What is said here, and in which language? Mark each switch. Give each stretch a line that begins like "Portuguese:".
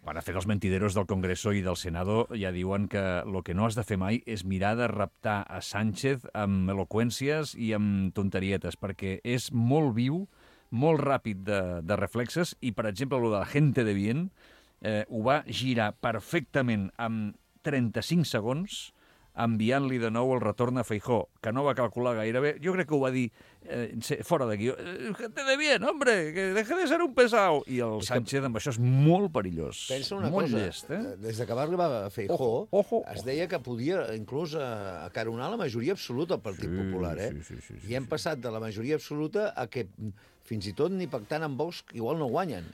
Catalan: Quan ha fet els mentideros del Congreso i del Senado, ja diuen que lo que no has de fer mai és mirar de raptar a Sánchez amb eloqüències i amb tonterietes, perquè és molt viu, molt ràpid de reflexes, i, per exemple, el de la gente de bien ho va girar perfectament en 35 segons enviant-li de nou el retorn a Feijó, que no va calcular gaire bé. Jo crec que ho va dir fora d'aquí.
Spanish: Gente de bien, hombre, que deja de ser un pesado.
Catalan: I el és Sánchez que... amb això és molt perillós. Pensa una cosa, llest, des que va arribar a Feijó, es deia que podia inclús acaronar la majoria absoluta al Partit Popular. Sí. I hem passat de la majoria absoluta a que fins i tot ni pactant amb Vox igual no guanyen.